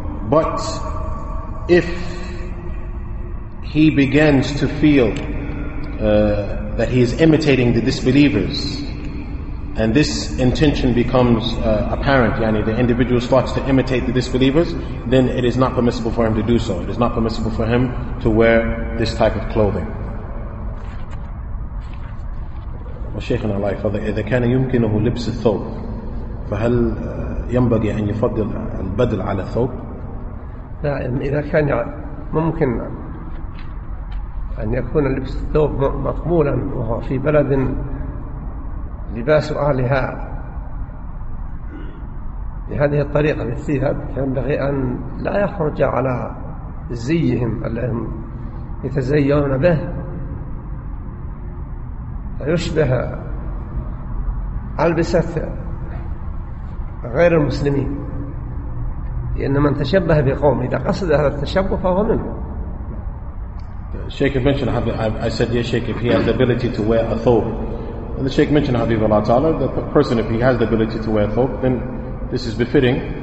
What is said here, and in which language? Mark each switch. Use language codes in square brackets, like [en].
[en] But if he begins to feel that he is imitating the disbelievers, and this intention becomes apparent, yani the individual starts to imitate the disbelievers, then it is not permissible for him to do so. It is not permissible for him to wear this type of clothing. [ar] وشيخنا الله يحفظه، إذا كان يمكنه لبس الثوب فهل ينبغي أن يفضل البدل على الثوب؟ لا، إذا كان ممكن أن يكون لبس الثوب مقبولا وهو في بلد لباس أهلها بهذه الطريقة فيها ينبغي أن لا يخرج على زيهم الذين يتزيون به، يشبه ألبسة غير المسلمين، لأن من تشبه بقوم إذا قصد هذا التشبه فهو منه. [en] Sheikh mentioned, I said, yes, Sheikh, if he has the ability to wear a thobe. And the Sheikh mentioned, Habibullah Ta'ala, that the person, if he has the ability to wear a thobe, then this is befitting.